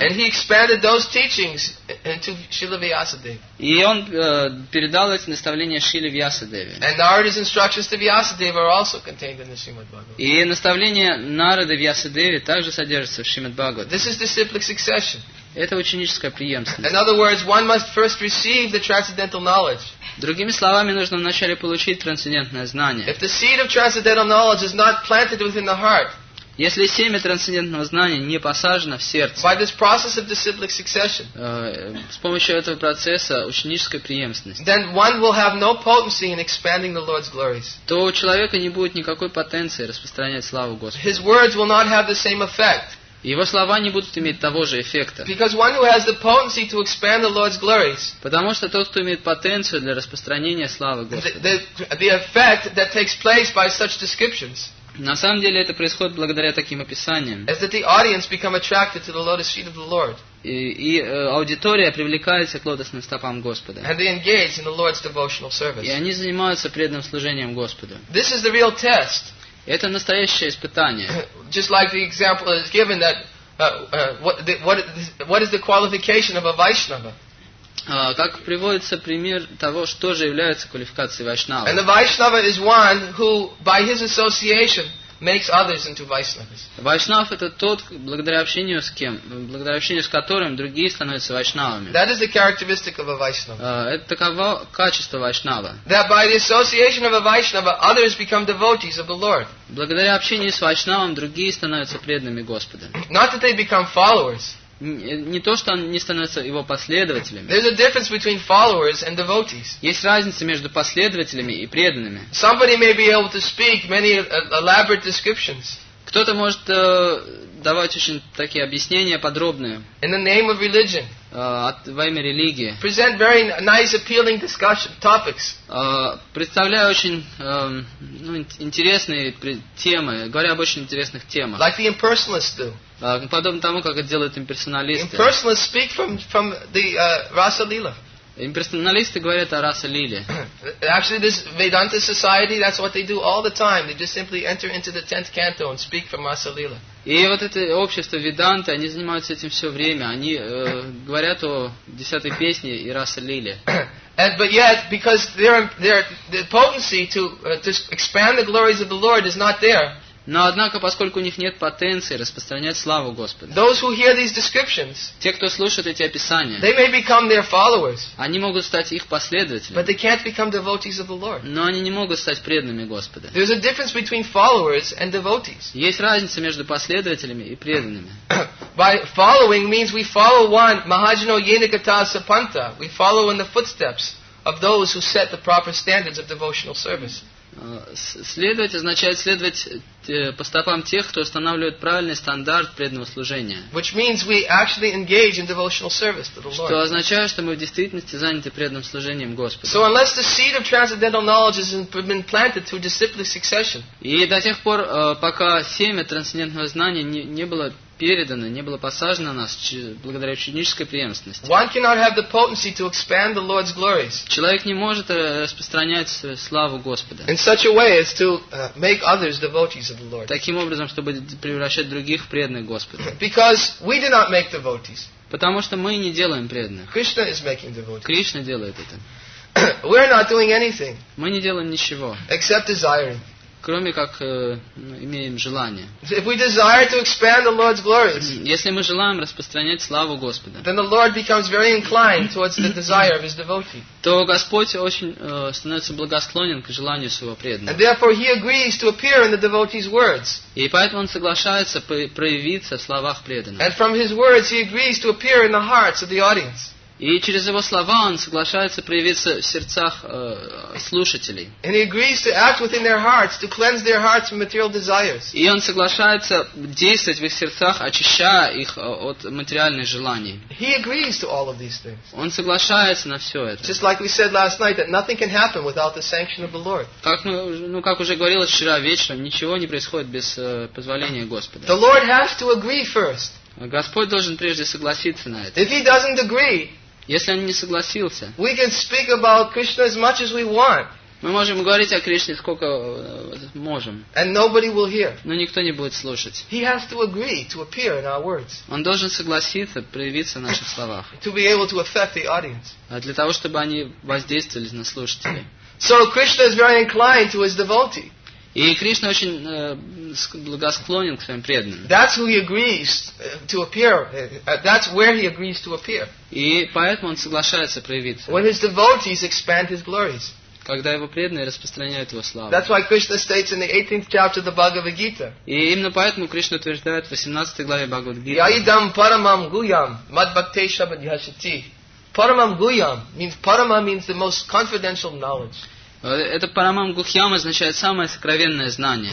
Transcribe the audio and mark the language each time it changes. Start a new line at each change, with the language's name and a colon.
English: And he expanded those teachings into Śrīla Vyāsadeva.
Russian: И он передал эти наставления Шиле Вьясадеве.
English: And Narada's instructions to Vyāsadeva are also contained in the Śrīmad Bhāgavatam.
Russian: И наставления Нарады Вьясадеве также содержатся в Śrīmad Bhāgavatam.
English: This is disciplic succession.
Russian: Это ученическая преемственность.
English: In other words, one must first receive the transcendental knowledge.
Russian: Другими словами, нужно вначале получить трансцендентное знание.
English: If the seed of transcendental knowledge is not planted within the heart.
Russian: Если семя трансцендентного знания не посажено в сердце,
English: by this process of disciplic succession,
Russian: с помощью этого процесса ученической преемственности,
English: then one will have no potency in expanding the Lord's glories.
Russian: То у человека не будет никакой потенции распространять славу Господа.
English: His words will not have the same effect.
Russian: Его слова не будут иметь того же эффекта.
English: Because one who has the potency to expand the Lord's glories.
Russian: Потому что тот, кто имеет потенцию для распространения славы Господа.
English: The effect that takes place by such descriptions.
Russian: На самом деле это происходит благодаря таким описаниям.
English: As that the audience become attracted to the lotus feet of the Lord.
Russian: И аудитория привлекается к лотосным стопам Господа.
English: And they engage in the Lord's devotional service.
Russian: И они занимаются преданным служением Господу.
English: This is the real test.
Russian: Это настоящее испытание.
English: Just like the example is given that what is the qualification of a Vaishnava?
Russian: Как приводится пример того, что же является квалификацией Вайшнава.
English: And the Vaishnava is one who by his association makes others into Vaishnavas.
Russian: Вайшнав это тот, благодаря общению с которым другие становятся Вайшнавами.
English: That is the characteristic of a Vaishnava.
Russian: Это таково качество Вайшнава.
English: That by the association of a Vaishnava, others become devotees of the Lord.
Russian: Благодаря общению с Вайшнавом другие становятся преданными Господа.
English: Not that they become followers.
Russian: Не то, что они становятся его последователями.
English: There's a difference between followers and devotees.
Russian: Есть разница между последователями и преданными.
English: Somebody may be able to speak many elaborate descriptions.
Russian: Кто-то может давать очень такие объяснения подробные.
English: In the name of religion.
Russian: Во имя религии.
English: Present very nice, appealing discussion topics.
Russian: Представляя очень интересные темы, говоря об очень интересных темах.
English: Like the impersonalists do.
Russian: Подобно тому, как это делают имперсоналисты.
English: Impersonalists speak from the Rasa Lila.
Russian: Имперсоналисты говорят о Раса Лиле.
English: Actually, this Vedanta society, that's what they do all the time. They just simply enter into the 10th canto and speak from Rasa Lila.
Russian: И вот это общество Веданты, они занимаются этим все время. Они говорят о 10-й песне и Раса Лиле.
English: But yet, because their potency to expand the glories of the Lord is not there.
Russian: Но однако, поскольку у них нет потенции распространять славу Господа,
English: those who hear these descriptions,
Russian: те, кто слушает эти описания,
English: they may become their followers,
Russian: они могут стать их последователями,
English: but they can't become devotees of the Lord.
Russian: Но они не могут стать преданными Господа.
English: There's a difference between followers and devotees.
Russian: Есть разница между последователями и преданными.
English: By following means we follow one,
Sanskrit: Mahajano Yenikata Sapanta,
English: we follow in the footsteps of those who set the proper standards of devotional service.
Russian: Следовать означает следовать по стопам тех, кто устанавливает правильный стандарт преданного служения.
English: Which means we actually engage in devotional service to the Lord.
Russian: Что означает, что мы в действительности заняты преданным служением Господу.
English: So unless the seed of transcendental knowledge has been planted through disciplic succession.
Russian: И до тех пор, пока семя трансцендентного знания не было передано, не было посажено нас благодаря ученической преемственности.
English: One cannot have the potency to expand the Lord's glories.
Russian: Человек не может распространять славу Господа.
English: In such a way as to make others devotees of the Lord.
Russian: Таким образом, чтобы превращать других в преданных Господа.
English: Because we do not make devotees.
Russian: Потому что мы не делаем преданных.
English: Krishna is making devotees.
Russian: Кришна делает это.
English: We are not doing anything.
Russian: Мы не делаем ничего.
English: Except desiring.
Russian: Кроме как имеем желание.
English: If we desire to expand the Lord's glories,
Russian: если мы желаем распространять славу Господа,
English: then the Lord becomes very inclined towards the desire of his devotee.
Russian: То Господь очень становится благосклонен к желанию своего преданного.
English: And therefore he agrees to appear in the devotee's words.
Russian: И поэтому он соглашается проявиться в словах преданного.
English: And from his words he agrees to appear in the hearts of the audience.
Russian: И через его слова он соглашается проявиться в сердцах слушателей.
English: And he agrees to act within their hearts, to cleanse their hearts from material desires.
Russian: И он соглашается действовать в их сердцах, очищая их от материальных желаний.
English: He agrees to all of these things.
Russian: Он соглашается на все это.
English: Just like we said last night, that nothing can happen without the sanction of the Lord.
Russian: Как мы, как уже говорилось вчера вечером, ничего не происходит без позволения Господа.
English: The Lord has to agree first.
Russian: Господь должен прежде согласиться на это.
English: If he doesn't agree,
Russian: если он не согласился,
English: we can speak about Krishna as much as we want.
Russian: Мы можем говорить о Кришне сколько можем.
English: And nobody will hear.
Russian: Но никто не будет слушать.
English: He has to agree to appear in our words.
Russian: Он должен согласиться проявиться в наших словах.
English: To be able to affect the audience.
Russian: А для того, чтобы они воздействовали на слушателей.
English: So Krishna is very inclined to his devotee.
Russian: И Кришна очень благосклонен к своим преданным.
English: That's who he agrees to appear. That's where he agrees to appear.
Russian: И поэтому он соглашается проявиться.
English: When his devotees expand his glories.
Russian: Когда его преданные распространяют его славу.
English: That's why Krishna states in the 18th chapter of the Bhagavad Gita.
Russian: И именно поэтому Кришна утверждает в 18 главе Бхагавад Гиты.
Sanskrit: Яидам парамам гуям мадбхактешабадьяшати.
English: Парамам гуям means парама means the most confidential knowledge.
Russian: Это парамам гухьям означает самое сокровенное знание.